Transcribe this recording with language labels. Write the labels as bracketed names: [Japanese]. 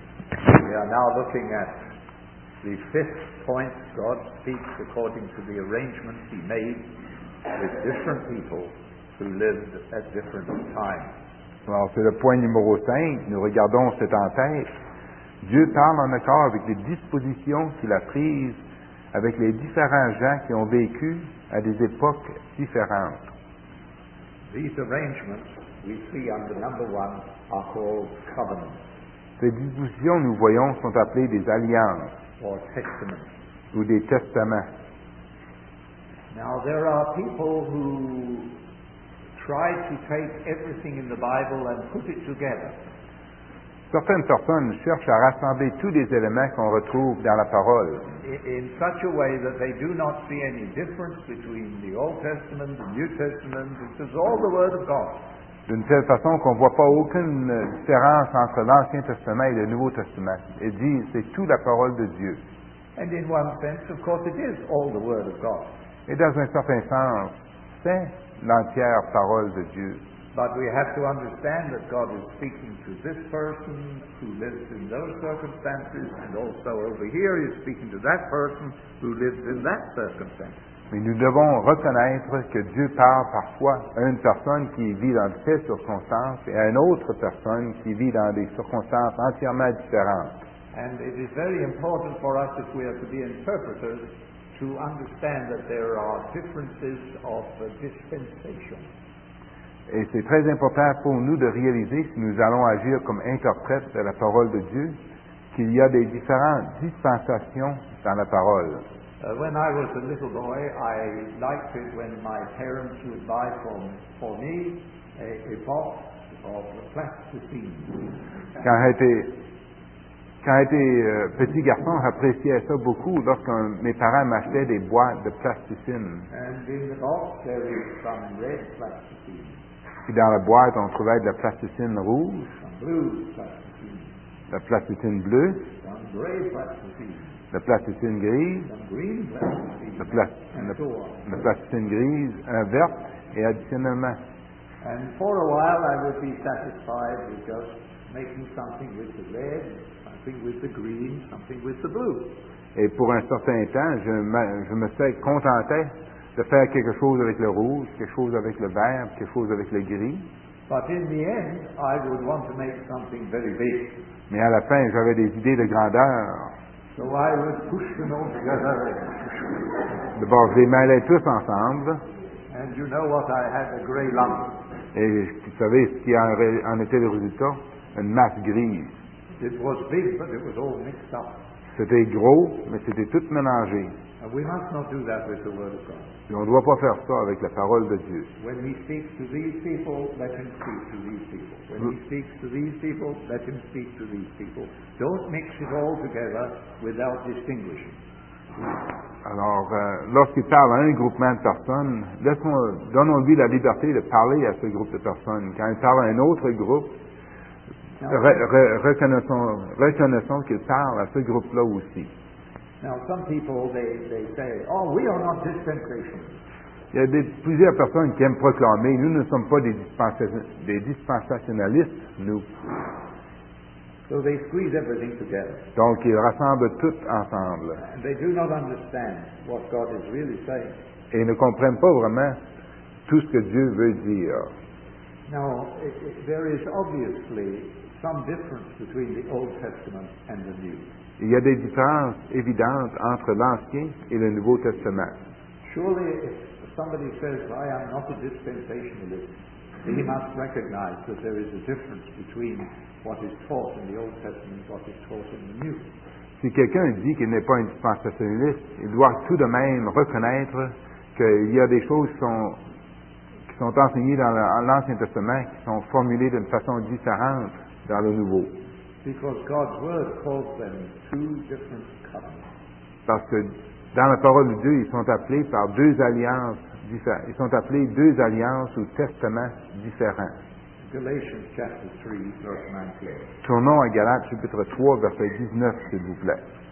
[English] We are now looking at the fifth point. God speaks according to the arrangement he made with different people who lived at different times. [French] Alors, c'est le point numéro 5. Nous regardons cette entête. Dieu parle en accord avec les dispositions qu'il a prises avec les différents gens qui ont vécu à des époques différentes. [English] These arrangements we see under number one are called covenants. [French] Ces dispositions, nous voyons, sont appelées des alliances. [English] Or testaments. [French] Ou des testaments. [English] Now there are people who try to take everything in the Bible and put it together. [French] Certaines personnes cherchent à rassembler tous les éléments qu'on retrouve dans la parole. [English] In such a way that they do not see any difference between the Old Testament, the New Testament, this is all the Word of God. [French] D'une telle façon qu'on ne voit pas aucune différence entre l'Ancien Testament et le Nouveau Testament. Et dit, c'est tout la parole de Dieu. [English] And in one sense, of course, it is all the Word of God. [French] Et dans un certain sens, c'est l'entière parole de Dieu. [English] But we have to understand that God is speaking to this person who lives in those circumstances, and also over here he is speaking to that person who lives in that circumstance. [French] Mais nous devons reconnaître que Dieu parle parfois à une personne qui vit dans telle circonstance et à une autre personne qui vit dans des circonstances entièrement différentes. [English] And it is very important for us, if we are to be interpreters, to understand that there are differences of dispensation. [French] Et c'est très important pour nous de réaliser, si nous allons agir comme interprètes de la parole de Dieu, qu'il y a des différentes dispensations dans la parole. [English] When I was a little boy, I liked it when my parents would buy for me a box of plasticine. [French] Quand j'étais petit garçon, j'appréciais ça beaucoup lorsque mes parents m'achetaient des boîtes de plasticine. [English] And in the box there was some red plasticine. [French] Puis dans la boîte, on trouvait de la plasticine rouge. [English] Some blue plasticine. [French] La plasticine bleue. [English] Some gray plasticine. [French] La plasticine grise, la plasticine grise, un vert, et additionnellement. [English] And for a while I would be satisfied with just making something with the red, something with the green, something with the blue. [French] Et pour un certain temps, je me serais contenté de faire quelque chose avec le rouge, quelque chose avec le vert, quelque chose avec le gris. [English] But in the end, I would want to make something very big. [French] Mais à la fin, j'avais des idées de grandeur. [English] So I would push them all together. [French] D'abord, je les mêlais tous ensemble. [English] And you know what, I had a gray lump. [French] Et vous savez ce qui en était le résultat? Une masse grise. [English] It was big, but it was all mixed up. [French] C'était gros, mais c'était tout mélangé. [English] And we must not do that with the word of God. [French] Et on ne doit pas faire ça avec la parole de Dieu. [English] When he speaks to these people, let him speak to these people. When he speaks to these people, let him speak to these people. Don't mix it all together without distinguishing. [French] Alors, lorsqu'il parle à un groupement de personnes, donnons-lui la liberté de parler à ce groupe de personnes. Quand il parle à un autre groupe, reconnaissons qu'il parle à ce groupe-là aussi. [English] Now, some people, they say, oh, we are not dispensations. [French] Il y a plusieurs personnes qui aiment proclamer, nous ne sommes pas des dispensationalistes, nous. [English] So they squeeze everything together. [French] Donc, ils rassemblent tout ensemble. [English] And they do not understand what God is really saying. [French] Et ils ne comprennent pas vraiment tout ce que Dieu veut dire. [English] Now, there is obviously some difference between the Old Testament and the New. [French] Il y a des différences évidentes entre l'Ancien et le Nouveau Testament. [English] Surely, if somebody says, I am not a dispensationalist, he must recognize that there is a difference between what is taught in the Old Testament and what is taught in the New. [French] Si quelqu'un dit qu'il n'est pas un dispensationaliste, il doit tout de même reconnaître qu'il y a des choses qui sont enseignées dans l'Ancien Testament qui sont formulées d'une façon différente dans le Nouveau. [English] Because God's word calls them two different covenants. [French] Parce que dans la parole de Dieu, ils sont appelés par deux alliances différentes. Ils sont appelés deux alliances ou testaments différents. [English] Galatians chapter 3, verse 19. [French] Tournons à Galates chapitre 3, verset 19, s'il vous plaît.